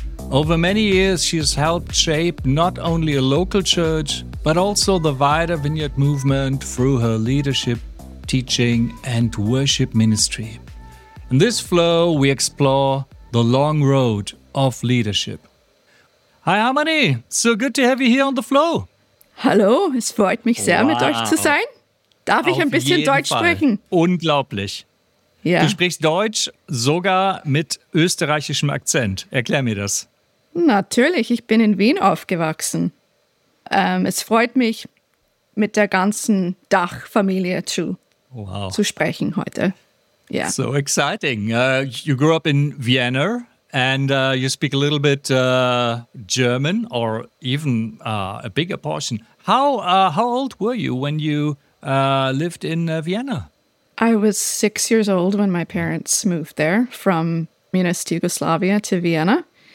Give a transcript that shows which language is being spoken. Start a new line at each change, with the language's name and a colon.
English: Over many years, she has helped shape not only a local church, but also the wider vineyard movement through her leadership, teaching, and worship ministry. In this flow, we explore the long road of leadership. Hi, Harmony. So good to have you here on the flow.
German: Hallo, es freut mich sehr, mit euch zu sein. Darf ich ein bisschen Deutsch sprechen? Unglaublich. Yeah. Du sprichst Deutsch sogar mit österreichischem Akzent. Erklär mir das. Natürlich, ich bin in Wien aufgewachsen. Es freut mich, mit der ganzen Dachfamilie zu sprechen heute.
English: Yeah. So exciting. You grew up in Vienna. And you speak a little bit German, or even a bigger portion. How old were you when you lived in Vienna? I was 6 years old when my parents moved there from Munist Yugoslavia to Vienna.